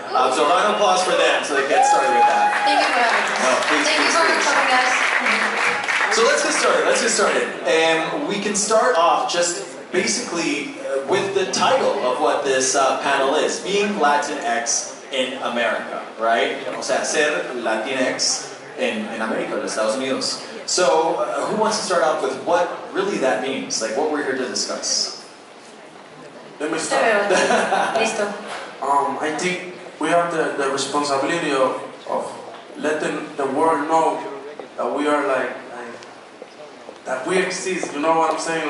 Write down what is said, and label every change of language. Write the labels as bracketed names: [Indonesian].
[English] So a round of applause for them, so they get started with that. Thank you for having us. Thank you for coming, guys. So let's get started, we can start off just basically with the title of what this panel is, Being Latinx in America, right? [Spanish] O sea, ser Latinx en América, los Estados Unidos. [English] So, who wants to start off with what really that means? Like, what we're here to discuss? Let me start. [Spanish] Listo. [English] I think we have the responsibility of letting the world know that we are like, that we exist, you know what I'm saying?